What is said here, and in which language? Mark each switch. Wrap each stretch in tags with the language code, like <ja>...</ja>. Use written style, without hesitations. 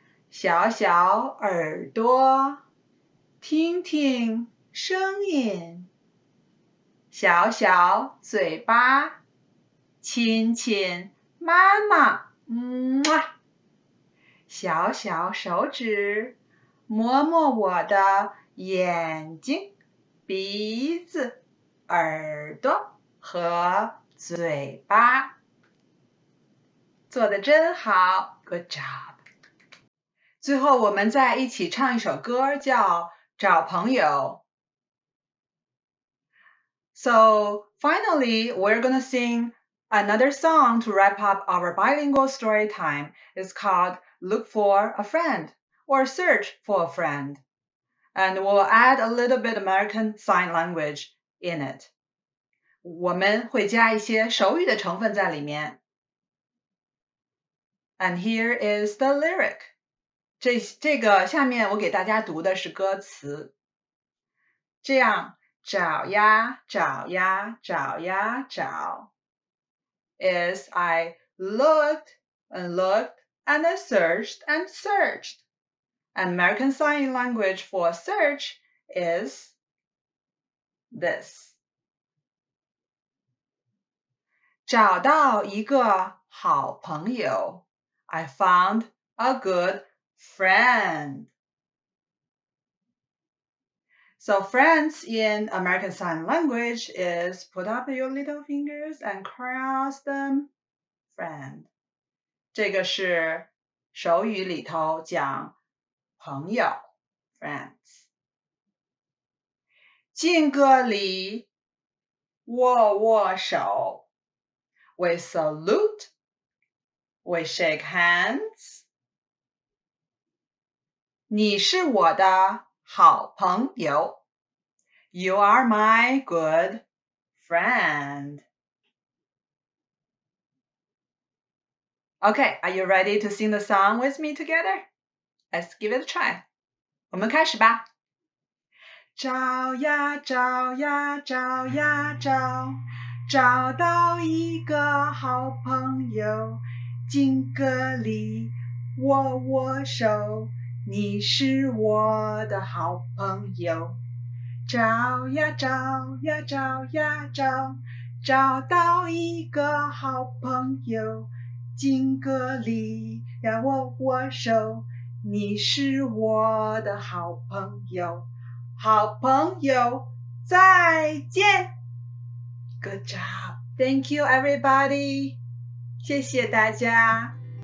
<zh>小小耳朵听听声音小小嘴巴亲亲妈妈、嗯、小小手指摸摸我的眼睛鼻子耳朵和嘴巴做得真好</zh> <en>Good job</en> <zh>最后我们再一起唱一首歌叫找朋友</zh> <en>So finally we're gonna sing another song to wrap up our bilingual story time It's called Look for a Friend or Search for a Friend And we'll add a little bit American Sign Language in it</en> <zh>我们会加一些手语的成分在里面。</zh> <en>And here is the lyric.</en> <zh>这个下面我给大家读的是歌词。这样找呀找呀找呀找。</zh> <en>As I looked and looked and searched and searched. American Sign Language for search is this.</en> <zh>找到一个好朋友</zh> <en>I found a good friend. So friends in American Sign Language is put up your little fingers and cross them. Friend.</en> <zh>这个是手语里头讲朋友 Friends. 敬个礼握握手</zh> <en>We salute, we shake hands.</en> <zh>你是我的好朋友。</zh> <en>You are my good friend. Okay, are you ready to sing the song with me together? Let's give it a try.</en> <zh>我们开始吧。找呀找呀找呀找找到一个好朋友敬个礼握握手你是我的好朋友找呀找呀找呀找找到一个好朋友敬个礼呀握握手你是我的好朋友好朋友再见</zh> <en>Good job. Thank you, everybody.</en> <zh>谢谢大家。</zh>